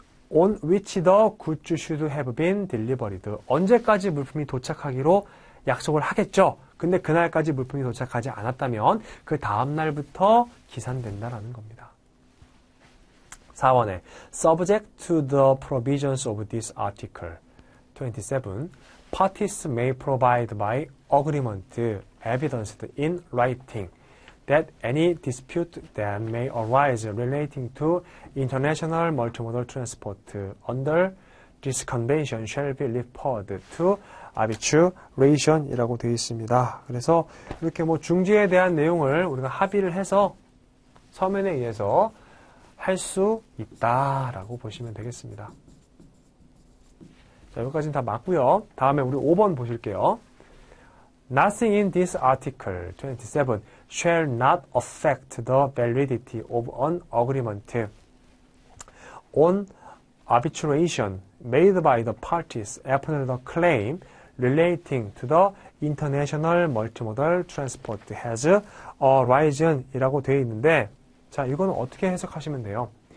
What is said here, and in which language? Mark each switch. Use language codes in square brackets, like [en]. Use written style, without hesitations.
[en] On which the goods should have been delivered. [ko] 언제까지 물품이 도착하기로 약속을 하겠죠? 근데 그날까지 물품이 도착하지 않았다면 그 다음날부터 기산된다라는 겁니다. [en] 4번에 Subject to the provisions of this article. 27. Parties may provide by agreement evidenced in writing that any dispute that may arise relating to international multimodal transport under this convention shall be referred to arbitration [ko] 이라고 되어 있습니다. 그래서 이렇게 뭐 중재에 대한 내용을 우리가 합의를 해서 서면에 의해서 할수 있다라고 보시면 되겠습니다. 자, 여기까지는 다 맞고요. 다음에 우리 5번 보실게요. [en] Nothing in this article 27 shall not affect the validity of an agreement on arbitration made by the parties upon the claim relating to the international multimodal transport has arisen [ko] 이라고 되어 있는데, 자, 이건 어떻게 해석하시면 돼요?